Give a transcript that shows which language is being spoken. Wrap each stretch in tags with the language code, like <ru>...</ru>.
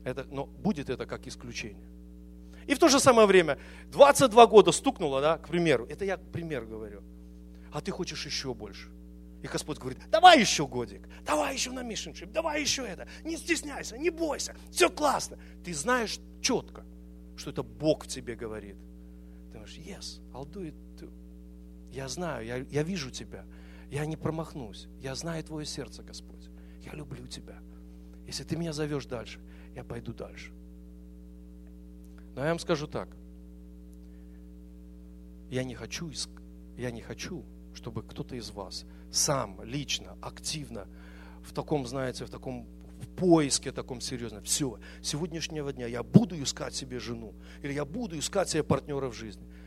<ru>Но будет это как исключение. И в то же самое время, 22 года стукнуло, да, к примеру, это я к примеру говорю, а ты хочешь еще больше. И Господь говорит, давай еще годик, давай еще на mission trip, давай еще это, не стесняйся, не бойся, все классно. Ты знаешь четко, что это Бог в тебе говорит. Ты думаешь,</ru> <en>yes, I'll do it too.</en> <ru>Я знаю, я вижу тебя, я не промахнусь, я знаю твое сердце, Господь, я люблю тебя. Если ты меня зовешь дальше, я пойду дальше. Но я вам скажу так, я не хочу, чтобы кто-то из вас сам, лично, активно, в поиске таком серьезном, все, с сегодняшнего дня я буду искать себе жену, или я буду искать себе партнера в жизни.</ru>